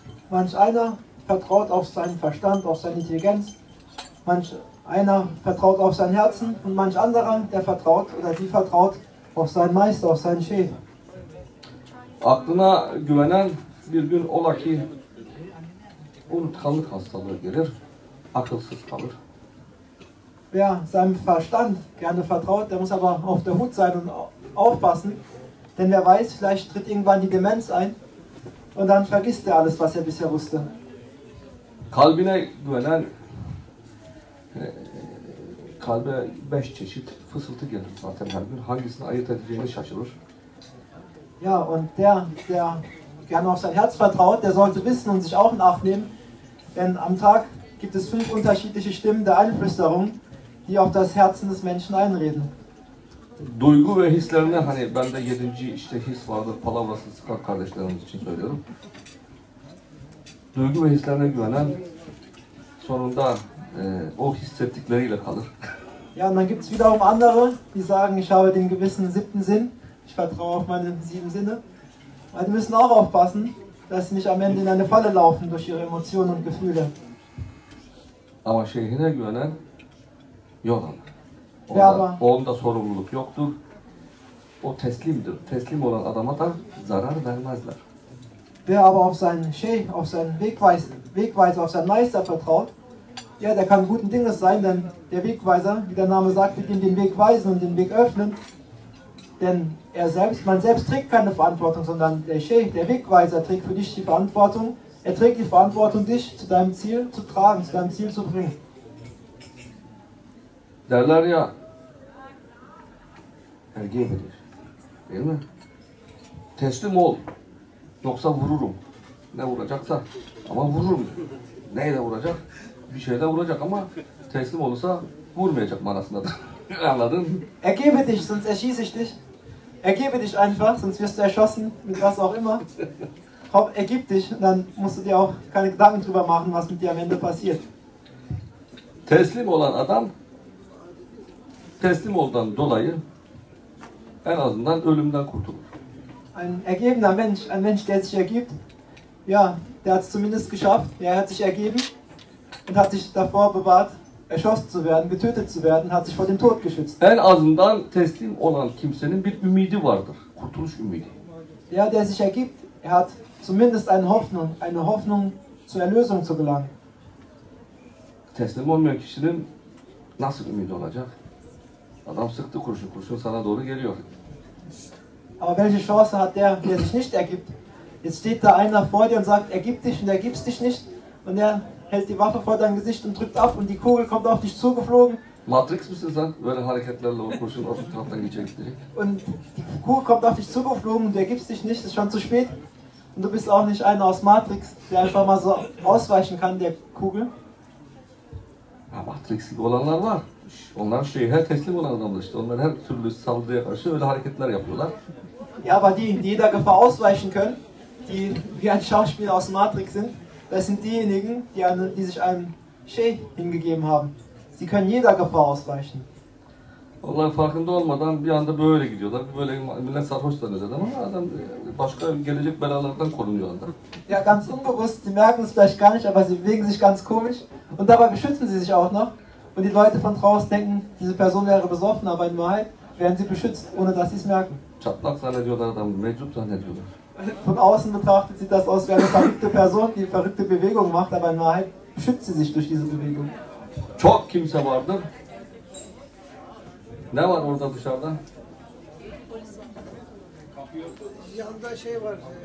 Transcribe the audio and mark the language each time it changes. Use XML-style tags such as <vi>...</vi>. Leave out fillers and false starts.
<de>Manch einer vertraut auf seinen Verstand, auf seine Intelligenz. Manch einer vertraut auf sein Herzen. Und manch anderer, der vertraut oder die vertraut auf seinen Meister, auf seinen Şeyh.</de> <tr>Aklına güvenen bir gün ola ki unutkanlık hastalığı gelir, akılsız kalır.</tr> <de>Wer seinem Verstand gerne vertraut, der muss aber auf der Hut sein und aufpassen, denn wer weiß, vielleicht tritt irgendwann die Demenz ein und dann vergisst er alles, was er bisher wusste.</de> <tr>Kalbine güvenen, kalbe beş çeşit fısıltı gelir zaten her gün, hangisini ayırt edeceğini şaşırır.</tr> <de>Ja, und der gerne auf sein Herz vertraut, der sollte wissen und sich auch in Acht nehmen, denn am Tag gibt es 5 unterschiedliche Stimmen der Einflüsterung, die auf das Herzen des Menschen einreden.</de> <tr>Duygu ve hislerine, hani ben de 7. işte his vardır, palavrasını sıkak kardeşlerimiz için söylüyorum. Duygu ve hislerine güvenen sonunda o hissettikleriyle kalır.</tr> <de>Ja, und dann gibt es wiederum andere, die sagen, ich habe den gewissen 7. Sinn. Ich vertraue auf meine 7 Sinne. Aber die müssen auch aufpassen, dass sie nicht am Ende in eine Falle laufen durch ihre Emotionen und Gefühle. Aber</de> <tr>şeyhine güvenen yok. Onda sorumluluk yoktur. O teslimdir. Teslim olan adama da zarar vermezler.</tr> <de>Wer aber auf seinen Şeyh, auf seinen Wegweiser, auf seinen Meister vertraut, ja, der kann guten Dinges sein, denn der Wegweiser, wie der Name sagt, wird ihm den Weg weisen und den Weg öffnen. Denn man selbst trägt keine Verantwortung, sondern der Sheikh, der Wegweiser, trägt für dich die Verantwortung. Er trägt die Verantwortung, dich zu deinem Ziel zu tragen, zu deinem Ziel zu bringen.</de> <tr>Derler ya,</tr> <de>ergebe dir,</de> <tr>değil mi? Teslim ol, yoksa vururum. Ne vuracaksa, ama vururum. Neyle vuracak? Bir şeyle vuracak ama teslim olursa vurmayacak manasında da. Anladın?</tr> <de>Ergebe dich, sonst erschieße ich dich. Ergebe dich einfach, sonst wirst du erschossen, mit was auch immer. Ergib dich, dann musst du dir auch keine Gedanken drüber machen, was mit dir am Ende passiert.</de> <tr>Teslim olan adam, teslim olduğundan dolayı en azından ölümden kurtulur.</tr> <de>Ein ergebener Mensch, ein Mensch, der sich ergibt, ja, der hat es zumindest geschafft, er hat sich ergeben und hat sich davor bewahrt, erschossen zu werden, getötet zu werden, hat sich vor dem Tod geschützt.</de> <tr>En azından teslim olan kimsenin bir ümidi vardır, kurtuluş ümidi.</tr> <de>Ja, der sich ergibt, er hat zumindest eine Hoffnung zur Erlösung zu gelangen.</de> <tr>Teslim olmayan kişinin nasıl ümidi olacak? Adam sıktı kurşun, kurşun sana doğru geliyor.</tr> <de>Aber welche Chance hat der, der sich nicht ergibt? Jetzt steht da einer vor dir und sagt, ergib dich und ergibst dich nicht. Und er hält die Waffe vor dein Gesicht und drückt ab und die Kugel kommt auf dich zugeflogen.</de> <tr>Matrix misin sen? Böyle hareketlerle o kurşun</tr> <de>auf den</de> <tr>Taraftan geçecek direkt.</tr> <de>Und die Kugel kommt auf dich zugeflogen und du ergibst dich nicht, ist schon zu spät. Und du bist auch nicht einer aus Matrix, der einfach mal so ausweichen kann, der Kugel.</de> <tr>Ha, Matrix'li olanlar var. Onlar şeyhe teslim olan adamlar işte. Onlar her türlü saldırıya karşı öyle hareketler yapıyorlar.</tr> <de>Ja, aber die, die jeder Gefahr ausweichen können, die wie ein Schauspieler aus Matrix sind, das sind diejenigen, die, eine, die sich einem Sheikh hingegeben haben. Sie können jeder Gefahr ausweichen.</de> <tr>Onlar farkında olmadan bir anda böyle gidiyorlar. Böyle millet sarhoş zanneder ama adam başka gelecek belalardan korunuyor adam.</tr> <de>Ja, ganz unbewusst, sie merken es vielleicht gar nicht, aber sie bewegen sich ganz komisch und dabei beschützen sie sich auch noch. Und die Leute von draußen denken, diese Person wäre besoffen, aber in Wahrheit werden sie beschützt, ohne dass sie es merken.</de> <tr>Çatlak zannediyorlar adamı, meczup zannediyorlar.</tr> <de>Von außen betrachtet sieht das aus wie eine verrückte Person, die verrückte Bewegung macht, aber in Wahrheit schützt sie sich durch diese Bewegung.</de> <tr>Çok kimse vardı. Ne var orada dışarıda? Bir yanda şey var,</tr>